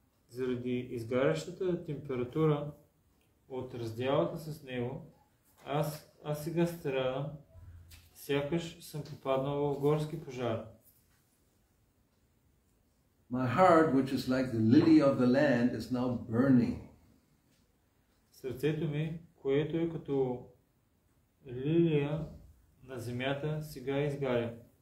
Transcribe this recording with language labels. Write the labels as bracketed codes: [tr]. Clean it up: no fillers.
[bg] Заради изгарящата температура от раздялата с него, аз сега страдам, сякаш съм попаднал в горски пожар. [en] My heart, which is like the lily of the land, is now burning. [bg] Сърцето ми, което е като лилия на земята, сега изгаря.